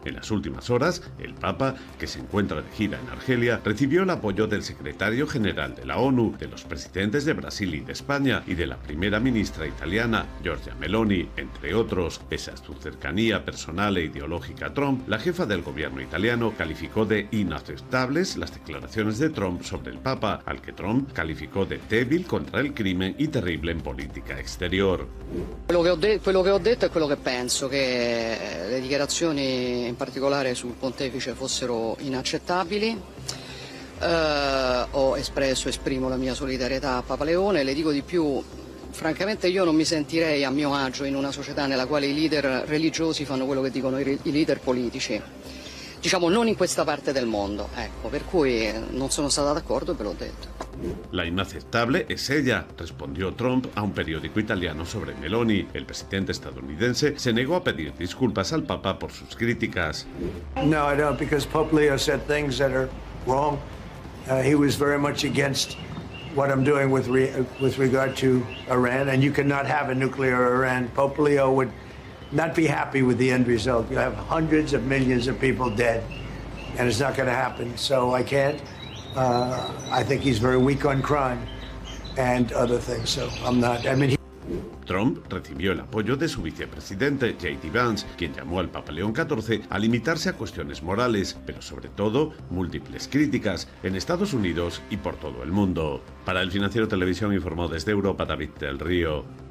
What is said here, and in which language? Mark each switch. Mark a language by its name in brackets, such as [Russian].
[Spanish] En las últimas horas, el Papa, que se encuentra de gira en Argelia, recibió el apoyo del secretario general de la ONU, de los presidentes de Brasil y de España y de la primera ministra italiana, Giorgia Meloni, entre otros. Pese a su cercanía personal e ideológica a Trump, la jefa del gobierno italiano calificó de inaceptables las declaraciones de Trump sobre el Papa, al que Trump calificó de débil contra el crimen y terrible en política exterior. [Italian] Quello che ho detto è quello che penso, che le dichiarazioni in particolare sul pontefice fossero inaccettabili. Esprimo la mia solidarietà a Papa Leone. Le dico di più, francamente io non mi sentirei a mio agio in una società nella quale i leader religiosi fanno quello che dicono i leader politici. Diciamo, non in questa parte del mondo, ecco, per cui non sono stato d'accordo e ve l'ho detto. [Spanish] La inaceptable es ella, respondió Trump a un periódico italiano sobre Meloni. El presidente estadounidense se negó a pedir disculpas al Papa por sus críticas. [English] No, I don't, because Pope Leo said things that are wrong. He was very much against what I'm doing with regard to Iran, and you cannot have a nuclear Iran. Pope Leo would not be happy with the end result. You have hundreds of millions of people dead, and it's not going to happen. So I can't. I think he's very weak on crime and other things. So I'm not. [Spanish] Trump recibió el apoyo de su vicepresidente, J.D. Vance, quien llamó al Papa León XIV a limitarse a cuestiones morales, pero sobre todo, múltiples críticas en Estados Unidos y por todo el mundo. Para El Financiero Televisión informó desde Europa David del Río.